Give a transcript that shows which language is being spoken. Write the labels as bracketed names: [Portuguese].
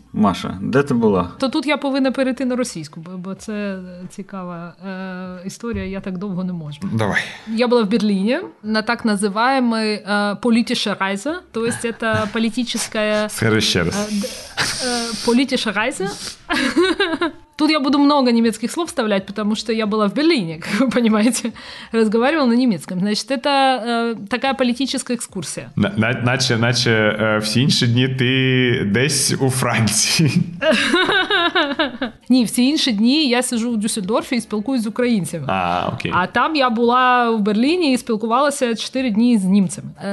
[Ukrainian] Маша, де ти була? То тут я повинна перейти на російську, бо це цікава історія, я так довго не можу. Давай. Я була в Берліні, на так називаємо політіша райза, [Russian] то есть это політическая... [Ukrainian] Скажи ще раз. [German] Політіша райза. [Russian] Тут я буду много немецких слов вставлять, потому что я была в Берлине, как вы понимаете, разговаривала на немецком. Значит, это такая политическая экскурсия. [Ukrainian] Наче все інші дні ты десь у Франции. Ні, всі інші дні я сижу у Дюссельдорфі і спілкуюсь з українцями. Окей. А там я була в Берліні і спілкувалася 4 дні з німцями.